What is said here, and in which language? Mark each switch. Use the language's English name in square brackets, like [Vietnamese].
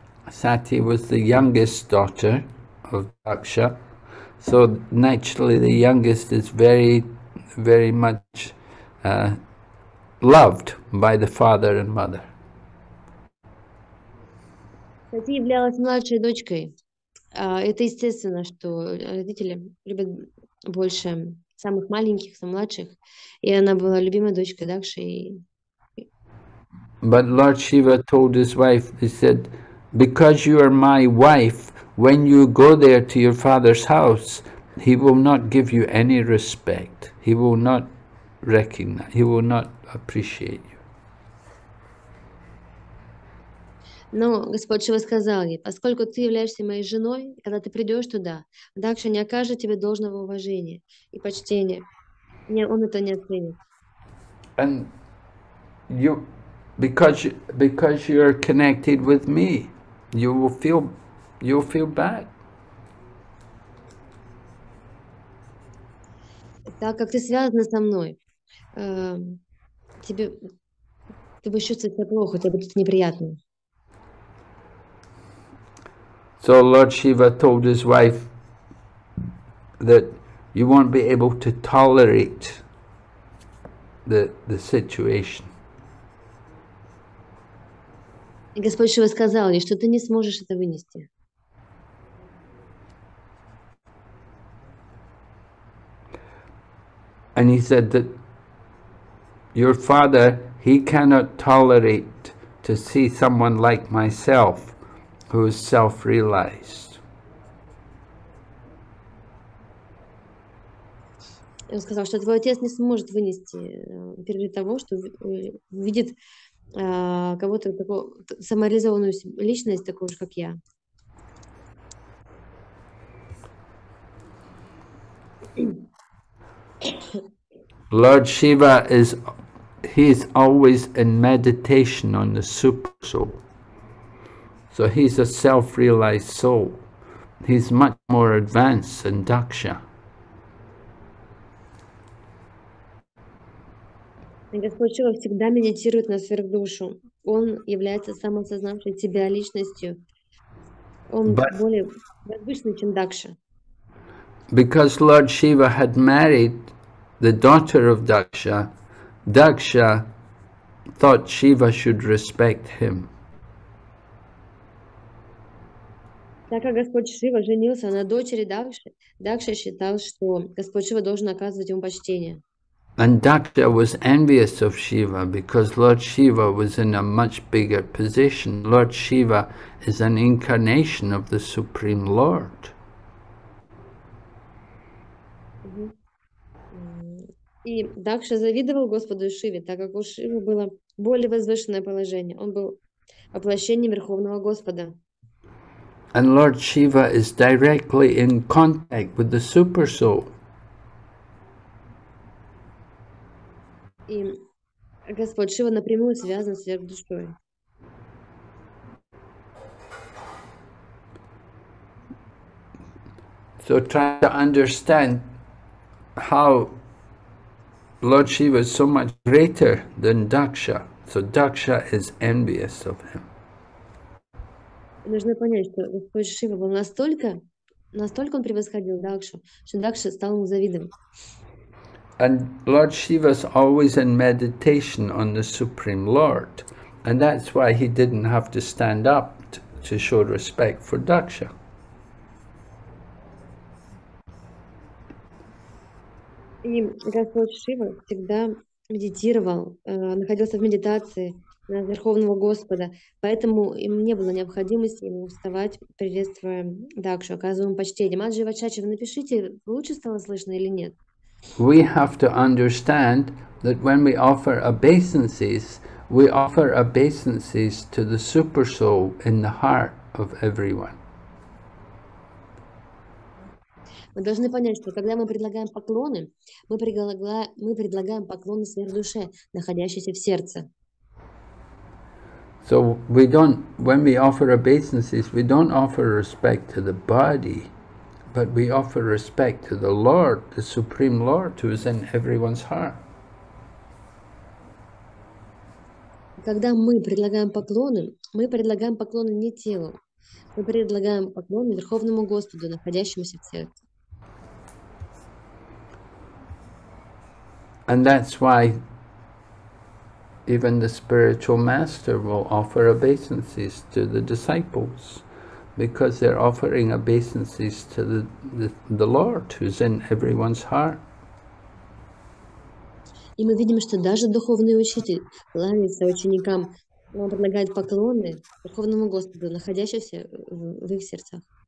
[English] Sati was the youngest daughter of Daksha, so naturally the youngest is very, very much loved by the father and mother. [Russian] Сати являлась младшей дочкой. Это естественно, что родители любят больше самых маленьких, самых младших, и она была любимой дочкой Дакши. [English] But Lord Shiva told his wife, he said, because you are my wife, when you go there to your father's house, he will not give you any respect. He will not recognize, he will not appreciate you. [Russian] Но Господь Шива сказал ей, поскольку ты являешься моей женой, когда ты придешь туда, Дакша не окажет тебе должного уважения и почтения. Не, он это не оценит. [English] And you, because you are connected with me, you will feel bad. [Russian] Так как ты связана со мной, тебе ты будешь чувствовать себя плохо, тебе будет неприятно. [English] So Lord Shiva told his wife that you won't be able to tolerate the situation. [Russian] И Господь Шива сказал ей, что ты не сможешь это вынести. [English] And he said that your father, he cannot tolerate to see someone like myself who is self-realized. [Russian] Он сказал, что твой отец не сможет вынести перед того, что видит кого-то такую самореализованную личность, такую же, как я. [English] Lord Shiva he is always in meditation on the super soul. So he's a self-realized soul. He's much more advanced than Daksha. [Russian] Господь Шива всегда медитирует на сверхдушу. Он является самосознавшей себя личностью. Он более возвышенный, чем Дакша. [English] Because Lord Shiva had married the daughter of Daksha, Daksha thought Shiva should respect him. [Russian] Так как Господь Шива женился на дочери Дакши, Дакша считал, что Господь Шива должен оказывать ему почтение. [English] And Daksha was envious of Shiva because Lord Shiva was in a much bigger position. Lord Shiva is an incarnation of the Supreme Lord. [Russian] И Дакша завидовал Господу Шиве, так как у Шивы было более возвышенное положение. Он был воплощением Верховного Господа. [English] And Lord Shiva is directly in contact with the Super Soul. [Russian] И Господь Шива напрямую связан с сверхдушой. [English] So try to understand how Lord Shiva is so much greater than Daksha. So Daksha is envious of him. [Russian] нужно понять, что Господь Шива был настолько он превосходил Дакшу, что Дакша стал ему завидовать. [English] And Lord Shiva is always in meditation on the Supreme Lord, and that's why he didn't have to stand up to show respect for Daksha. [Russian] И Господь Шива всегда медитировал, находился в медитации на Верховного Господа, поэтому им не было необходимости ему вставать, приветствуя Дакшу, оказывая ему почтение. Маджи Вачачи, вы напишите, лучше стало слышно или нет? [English] We have to understand that when we offer obeisances, we offer obeisances to the super soul in the heart of everyone. [Russian] Мы должны понять, что когда мы предлагаем поклоны, мы предлагаем поклоны сверхдуше, находящейся в сердце. [English] So we don't, when we offer obeisances, we don't offer respect to the body, but we offer respect to the Lord, the Supreme Lord, who is in everyone's heart. [Russian] Когда мы предлагаем поклоны не телу, мы предлагаем поклоны Верховному Господу, находящемуся в сердце. [English] And that's why even the spiritual master will offer obeisances to the disciples, because they're offering obeisances to the Lord who's in everyone's heart. [Russian] И мы видим, что даже духовный учитель кланяется ученикам, он предлагает поклоны Верховному Господу, находящемуся в их сердцах.